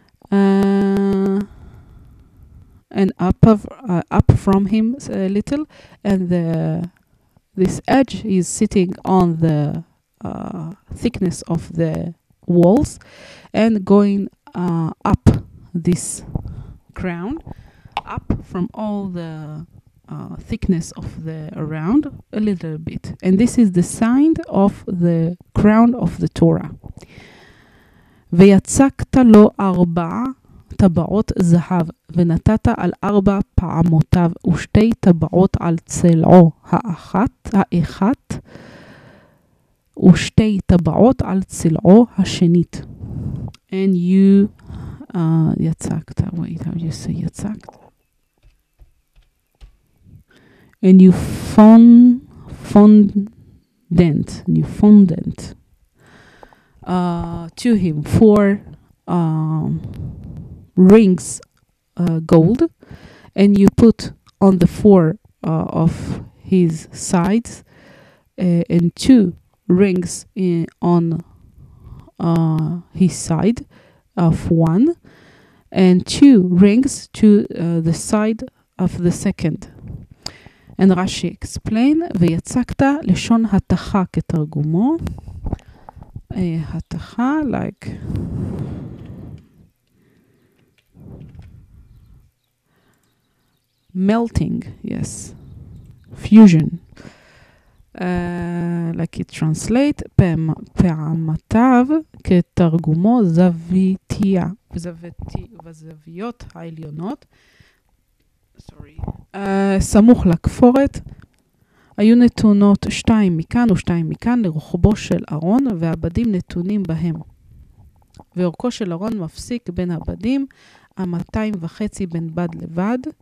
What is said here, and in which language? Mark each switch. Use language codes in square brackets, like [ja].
[en] And up from him a little, and this edge is sitting on the thickness of the walls, and going up this crown, up from all the thickness of the around a little bit, and this is the sign of the crown of the Torah. [he] ויצקת לו ארבע טבעות זהב, ונתת על ארבע פעמותיו, ושתי טבעות על צלעו האחת, ושתי טבעות על צלעו השנית. [en] And you, יצקת, wait, how do you say יצקת? And you fondant. To him four rings gold, and you put on the four of his sides and two rings on his side of one, and two rings to the side of the second. And Rashi explain [he] ויצקתה לשון התחה כתרגומו. [en] Hatacha, like melting, yes, fusion, like it translate [he] pe'amatav ketargumo zavitia zaviot ha'ilyonot, sorry, samuch lakforet היו נתונות שתיים מכאן ושתיים מכאן לרוחבו של ארון, והבדים נתונים בהם. ואורכו של ארון מפסיק בין הבדים, המאתיים וחצי בין בד לבד.